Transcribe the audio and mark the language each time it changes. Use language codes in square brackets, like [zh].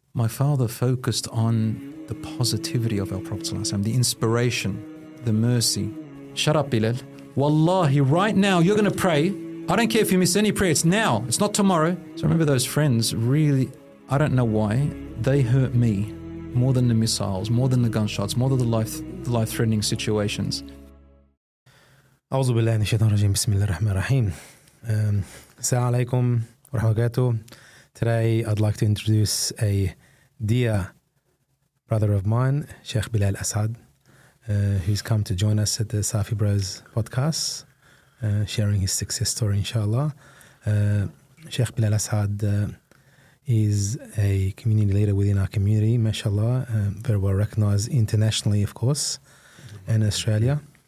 [en] My father focused on the positivity of our Prophet ﷺ, the inspiration, the mercy. Shut up, Bilal. Wallahi, right now, you're going to pray. I don't care if you miss any prayer. It's now. It's not tomorrow. So remember those friends, really, I don't know why, they hurt me more than the missiles, more than the gunshots, more than the life-threatening situations. [ar] أعوذ بالله من الشيطان الرجيم بسم الله الرحمن الرحيم السلام عليكم ورحمة الله وبركاته. [en] Today I'd like to introduce a dear brother of mine, Sheikh Belal Assaad, who's come to join us at the Safi Bros podcast, sharing his success story, inshallah. Sheikh Belal Assaad is a community leader within our community, mashallah, very well recognized internationally, of course, in Australia.